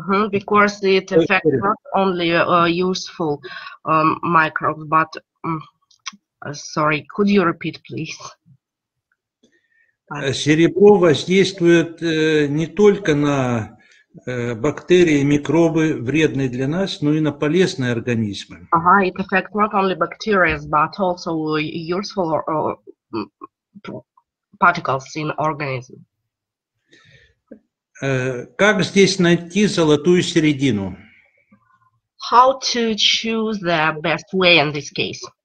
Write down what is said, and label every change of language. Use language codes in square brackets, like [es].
[en] Because it affects not only useful microbes, but, sorry, could you repeat, please? [ru] Серебро воздействует не только на бактерии и микробы, вредные для нас, но и на полезные организмы. Uh-huh. [en] It affects not only bacteria, but also useful particles in organism. [ru] Как здесь найти золотую середину? [en] How to choose the best way in this case?